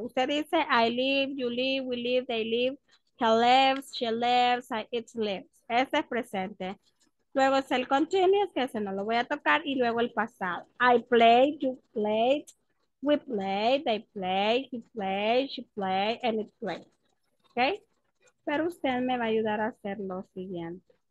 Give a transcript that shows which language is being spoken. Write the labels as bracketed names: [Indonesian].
[Spanish] Usted dice, [English] I live, you live, we live, they live. He lives, she lives, it lives. [Spanish] Este es presente. Luego es el continuous, que ese no lo voy a tocar, y luego el pasado. [English] I play, you play, we play, they play, he play, she play, and it play. ¿Ok? [Spanish] Pero usted me va a ayudar a hacer lo siguiente.